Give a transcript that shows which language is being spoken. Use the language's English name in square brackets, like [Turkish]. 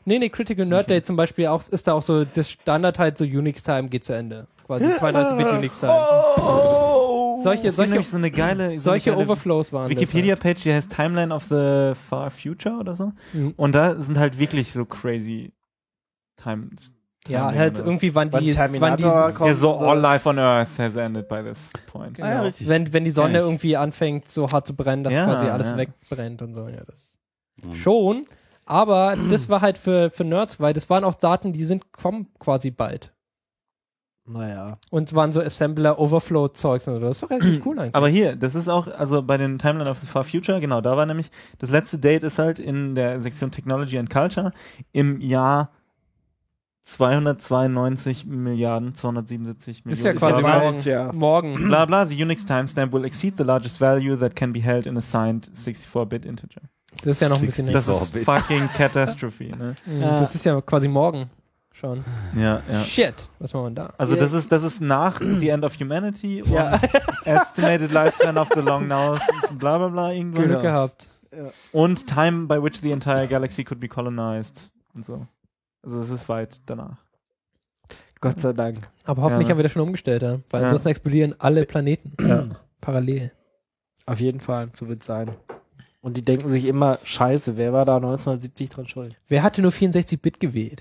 [German] Nee, Critical Nerd Date zum Beispiel auch, ist da auch so das Standard halt, so Unix Time geht zu Ende. Quasi 32-Bit Unix Time. Solche Overflows waren Wikipedia-Page, die heißt Timeline of the Far Future oder so. Mhm. Und da sind halt wirklich so crazy Times. Ja, halt irgendwie, wann die kommt, so [English] all life on Earth has ended by this point. [German] Genau. Ja, richtig. Wenn die Sonne irgendwie anfängt, so hart zu brennen, dass quasi alles wegbrennt und so. Ja, das schon. Aber das war halt für Nerds, weil das waren auch Daten, die sind kommen quasi bald. Naja. Und waren so Assembler-Overflow-Zeugs und so. Das war richtig cool eigentlich. Aber hier, das ist auch, also bei den Timeline of the Far Future, genau, da war nämlich, das letzte Date ist halt in der Sektion Technology and Culture im Jahr 292 Milliarden, 277 Millionen. Ist ja quasi morgen. [English] Bla bla, the Unix timestamp will exceed the largest value that can be held in a signed 64-Bit integer. [German] Das ist ja noch ein bisschen nichts. Das ist fucking Catastrophe, ne? Ja. Das ist ja quasi morgen. Schon. Ja, ja. Shit, was machen wir da? Also das ist nach The End of Humanity und Estimated Lifespan of the Long Nose und bla bla bla irgendwas. Glück gehabt. Und [English] Time by which the entire galaxy could be colonized [German] und so. Also das ist weit danach. Gott sei Dank. Aber hoffentlich haben wir das schon umgestellt, ja? Weil ansonsten explodieren alle Planeten parallel. Auf jeden Fall, so wird es sein. Und die denken sich immer, scheiße, wer war da 1970 dran schuld? Wer hatte nur 64-Bit gewählt?